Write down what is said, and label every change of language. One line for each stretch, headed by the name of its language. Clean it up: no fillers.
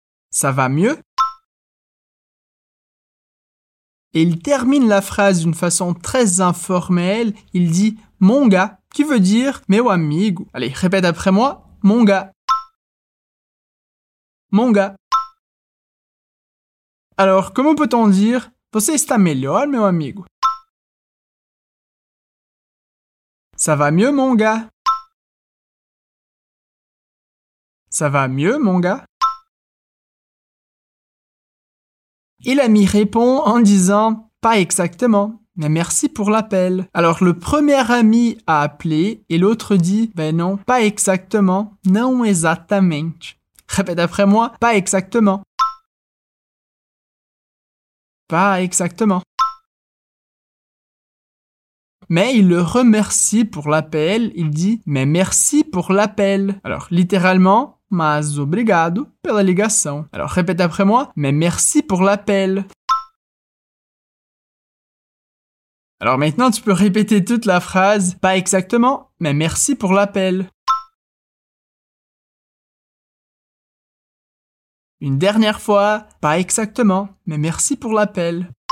French: Ça va mieux ? Et il termine la phrase d'une façon très informelle. Il dit « mon gars ». Qui veut dire «
Portuguese: meu amigo ».
French: Allez, répète après moi « mon gars ».« Mon gars ». Alors, comment peut-on dire «
Portuguese: você está melhor, meu amigo ».
French: Ça va mieux, mon gars. Ça va mieux, mon gars. Et l'ami répond en disant « pas exactement ». Mais merci pour l'appel. Alors, le premier ami a appelé et l'autre dit, ben non, pas exactement, non exactement. Répète après moi, pas exactement. Pas exactement. Mais il le remercie pour l'appel, il dit, mais merci pour l'appel. Alors, littéralement,
Portuguese: mas obrigado pela ligação.
French: Alors, répète après moi, mais merci pour l'appel. Alors maintenant, tu peux répéter toute la phrase. Pas exactement, mais merci pour l'appel. Une dernière fois. Pas exactement, mais merci pour l'appel.